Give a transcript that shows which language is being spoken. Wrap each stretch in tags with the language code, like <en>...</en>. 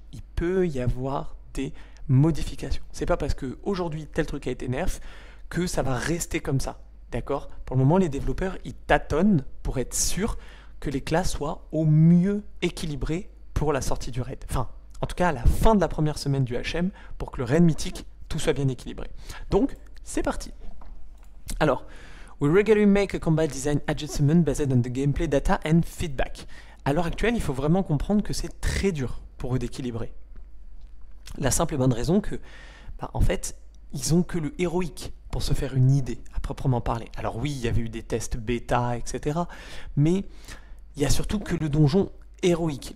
<fr>Il peut y avoir des modifications. C'est pas parce que aujourd'hui tel truc a été nerf que ça va rester comme ça. D'accord? Pour le moment, les développeurs, ils tâtonnent pour être sûrs que les classes soient au mieux équilibrées pour la sortie du raid. Enfin, en tout cas, à la fin de la première semaine du HM, pour que le raid mythique, tout soit bien équilibré. Donc, c'est parti.</fr> <en>Alors, we regularly make a combat design adjustment based on the gameplay data and feedback.</en> <fr>À l'heure actuelle, il faut vraiment comprendre que c'est très dur pour eux d'équilibrer. La simple et bonne raison que, bah, en fait, ils ont que le héroïque pour se faire une idée à proprement parler. Alors oui, il y avait eu des tests bêta, etc. Mais il y a surtout que le donjon héroïque.</fr>